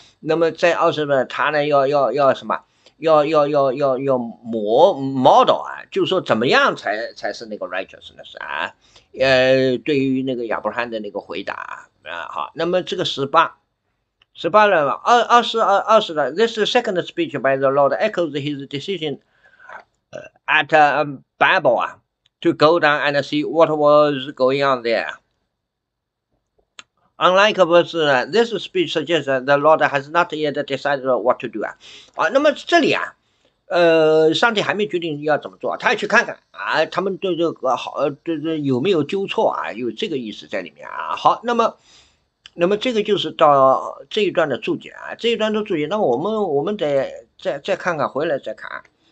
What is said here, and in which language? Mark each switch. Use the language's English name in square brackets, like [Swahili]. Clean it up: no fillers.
[Chinese] 那么在二十呢，他呢要什么？要模 model 啊，就是说怎么样才是那个 righteousness 啊？对于那个亚伯罕的那个回答。好，那么这个十八了，二十了。 [English] This second speech by the Lord echoes his decision at Babel to go down and see what was going on there. Unlike verse, this speech suggests that the Lord has not yet decided what to do. [Chinese] 那么这里啊，上帝还没决定要怎么做，他要去看看啊，他们对这个好，对这有没有纠错啊，有这个意思在里面啊。好，那么这个就是到这一段的注解啊，这一段的注解。那么我们得再看看，回来再看。